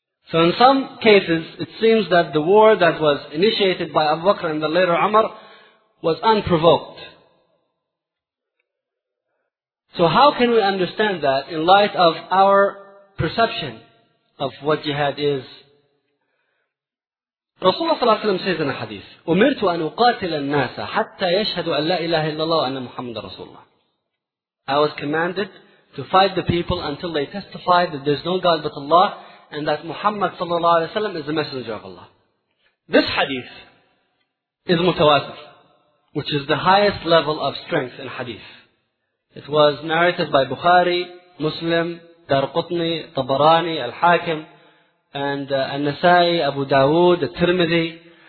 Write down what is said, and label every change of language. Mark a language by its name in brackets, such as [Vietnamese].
[English] So in some cases, it seems that the war that was initiated by Abu Bakr and the later Umar was unprovoked. So how can we understand that in light of our perception of what jihad is? [Arabic] Rasulullah ﷺ says in a hadith, أُمِرْتُ أَنْ أُقَاتِلَ النَّاسَ حَتَّى يَشْهَدُ أَنْ لَا إِلَهَ إِلَّا اللَّهُ أَنَّ مُحَمَّدَ رَسُولُ اللَّهِ. [English] I was commanded to fight the people until they testify that there is no God but Allah and that Muhammad ﷺ is the messenger of Allah. This hadith is mutawatir, which is the highest level of strength in hadith. It was narrated by Bukhari, Muslim, Darqutni, Tabarani, Al-Hakim, and An-Nasai, Abu Dawood, Tirmidhi.